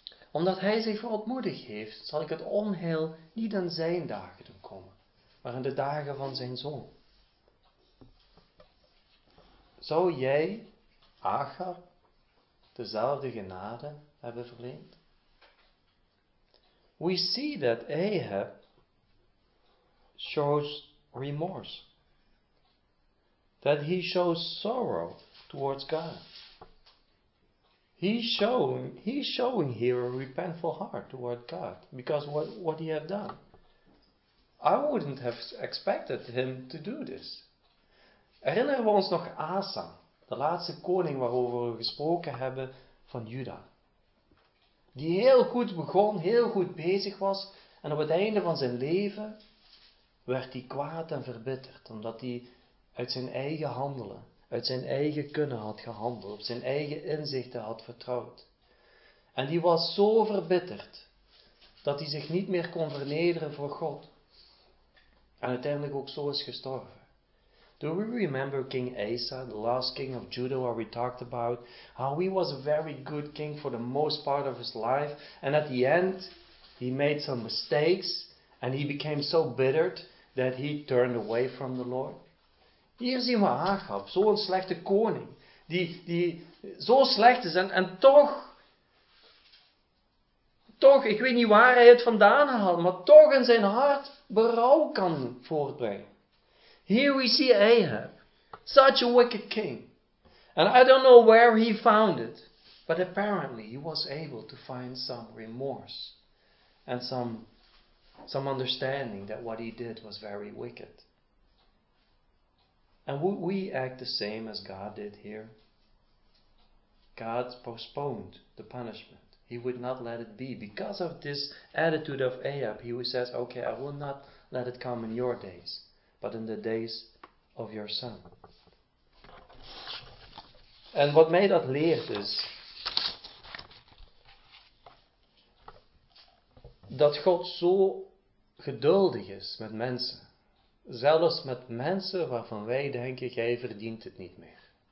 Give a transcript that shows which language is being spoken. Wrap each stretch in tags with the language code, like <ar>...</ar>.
<nl>Omdat hij zich verontmoedigd heeft, zal ik het onheil niet in zijn dagen doen komen. Maar in de dagen van zijn zoon. Zou jij, Achab, dezelfde genade hebben verleend?</nl> <en>We see that Ahab shows remorse, that he shows sorrow towards God. He's showing here a repentful heart toward God because what he had done. I wouldn't have expected him to do this.</en> <nl>Herinneren we ons nog Asa, de laatste koning waarover we gesproken hebben van Juda. Die heel goed begon, heel goed bezig was. En op het einde van zijn leven werd hij kwaad en verbitterd. Omdat hij uit zijn eigen handelen, uit zijn eigen kunnen had gehandeld. Op zijn eigen inzichten had vertrouwd. En die was zo verbitterd, dat hij zich niet meer kon vernederen voor God. En uiteindelijk ook zo is gestorven.</nl> <en>Do we remember King Asa, the last king of Judah, where we talked about how he was a very good king for the most part of his life, and at the end, he made some mistakes, and he became so bittered that he turned away from the Lord?</en> <nl>Hier zien we Achab, zo'n slechte koning, die zo slecht is, en toch, ik weet niet waar hij het vandaan had, maar toch in zijn hart berouw kan voortbrengen.</nl> <en>Here we see Ahab, such a wicked king. And I don't know where he found it, but apparently he was able to find some remorse and some understanding that what he did was very wicked. And would we act the same as God did here? God postponed the punishment. He would not let it be. Because of this attitude of Ahab, he says, okay, I will not let it come in your days, but in the days of your son. And what</en> <nl>mij dat leert is, dat God zo geduldig is met mensen. Zelfs met mensen waarvan wij denken, jij verdient het niet meer.</nl>